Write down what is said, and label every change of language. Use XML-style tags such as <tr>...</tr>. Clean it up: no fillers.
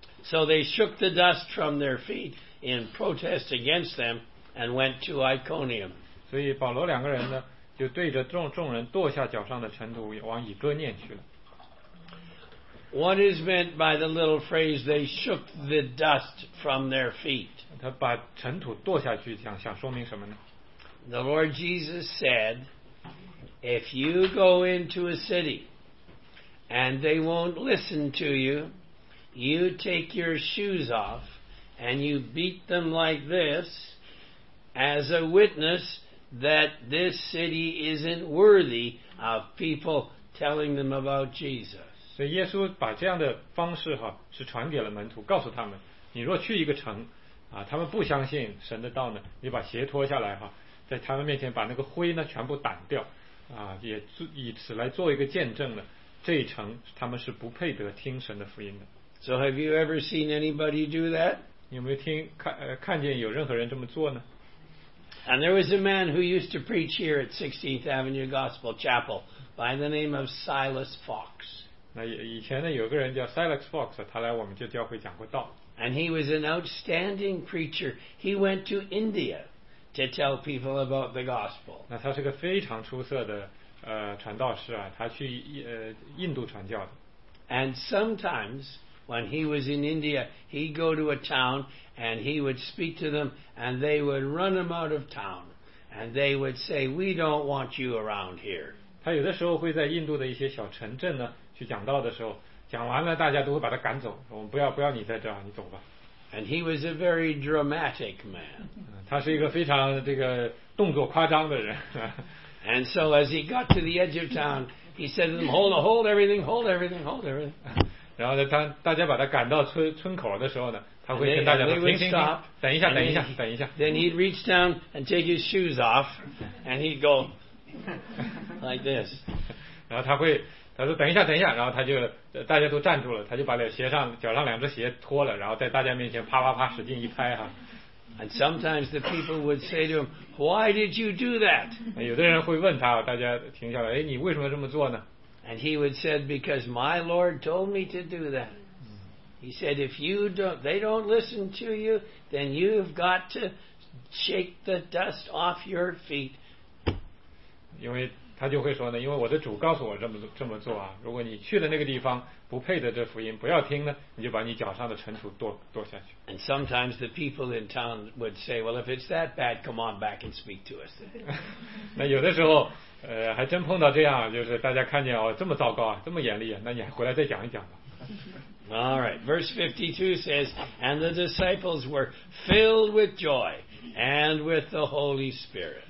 <en>So they shook the dust from their feet in protest against them and went to Iconium.</en> <zh>所以保罗两个人呢就对着众人跺下脚上的尘土，往以哥念去了。</zh> <en>What is meant by the little phrase "they shook the dust from their feet"?</en> <zh>他把尘土跺下去想说明什么呢</zh> <en>？The Lord Jesus said, "If you go into a city and they won't listen to you, you take your shoes off and you beat them like this as a witness." That this city isn't worthy of people telling them about Jesus.</en> <zh>所以耶稣把这样的方式哈是传给了门徒，告诉他们，你若去一个城，啊，他们不相信神的道呢，你把鞋脱下来哈，在他们面前把那个灰呢全部掸掉啊，也以此来做一个见证呢，这一层他们是不配得听神的福音的。</zh> <en>So have you ever seen anybody do that?</en> <zh>有没有听 看见有任何人这么做呢？</zh> <en>And there was a man who used to preach here at 16th Avenue Gospel Chapel by the name of Silas Fox.</en> <zh>那以前呢有个人叫 Silas Fox， 他来我们这教会讲过道。</zh> <en>And he was an outstanding preacher. He went to India to tell people about the gospel.</en> <zh>那他是个非常出色的传道士啊，他去印度传教的。</zh> <en>And sometimes when he was in India, he'd go to a town and he would speak to them, and they would run him out of town, and they would say, "We don't want you around here."</en> <zh>他有的时候会在印度的一些小城镇呢去讲道的时候。讲完了大家都会把他赶走，我们不要你在这儿，你走吧。</zh> <en>And he was a very dramatic man.</en> <zh>他是一个非常这个动作夸张的人。</zh> <en>And so as he got to the edge of town, he said to them, hold everything.</en> <zh>然后呢当大家把他赶到村口的时候呢，他会跟大家说停，等一下。</zh> <en>Then he'd reach down and take his shoes off, and he'd go like this.</en> <zh>然后他会他说等一下，然后他就大家都站住了，他就把脚上两只鞋脱了，然后在大家面前啪啪啪使劲一拍哈。</zh> <en>And sometimes the people would say to him, "Why did you do that?"</en> <zh>有的人会问他，大家停下来，哎，你为什么这么做呢</zh> <en>？And he would said, "Because my Lord told me to do that." He said, "If they don't listen to you, then you've got to shake the dust off your feet."</en> <zh>因为他就会说呢，因为我的主告诉我这么做啊，如果你去的那个地方不配的这福音不要听呢，你就把你脚上的尘土剁下去。</zh> <en>And sometimes the people in town would say, "Well, if it's that bad, come on back and speak to us."</en> <zh>那有的时候，还真碰到这样，就是大家看见哦，这么糟糕啊，这么严厉啊，那你还回来再讲一讲吧。</zh> <en>All right, verse 52 says, "And the disciples were filled with joy and with the Holy Spirit."</en>